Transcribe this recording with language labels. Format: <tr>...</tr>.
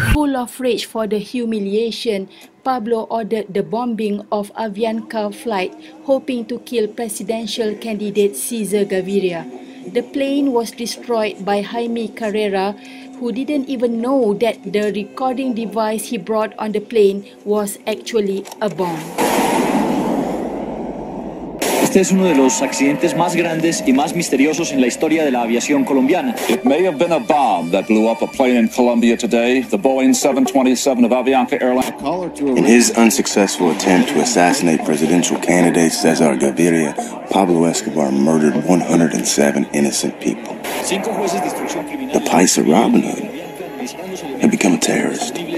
<en>Full of rage for the humiliation, Pablo ordered the bombing of Avianca flight, hoping to kill presidential candidate Cesar Gaviria. The plane was destroyed by Jaime Carrera, who didn't even know that the recording device he brought on the plane was actually a bomb.</en> <es>Este es uno de los accidentes más grandes y más misteriosos en la historia de la aviación colombiana.</es> <en>It may have been a bomb that blew up a plane in Colombia today, the Boeing 727 of Avianca Airlines. In his unsuccessful attempt to assassinate presidential candidate Cesar Gaviria, Pablo Escobar murdered 107 innocent people. The price of Robin Hood had become a terrorist.</en>